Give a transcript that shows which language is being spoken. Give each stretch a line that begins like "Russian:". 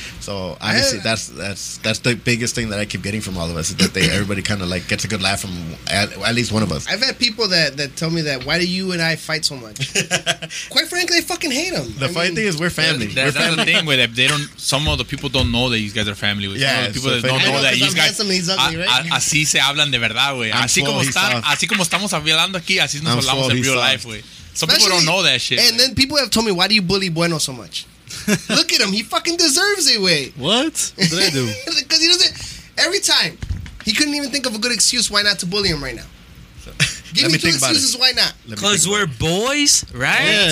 English: So obviously, that's the biggest thing that I keep getting from all of us is that everybody kind of like gets a good laugh from at least one of us. I've had people that tell me that why do you and I fight so much? Quite frankly, I fucking hate them. The funny thing is we're family. That's the thing with it. They don't. Some of the people don't know that these guys are family. With yeah, people so that don't know that these guys.
Spanish: Ugly, right? Así se hablan de verdad, güey. Así como así como estamos hablando aquí, así nos hablamos en
English: real life,
Spanish: güey.
English: Some people don't know that shit. And then people have told me, why do you bully Bueno so much? Look at him. He fucking deserves it, güey. What? What did I do? Because he doesn't. Every time, he couldn't even think of a good excuse why not to bully him right now. Give me two excuses why not. Because we're boys, right?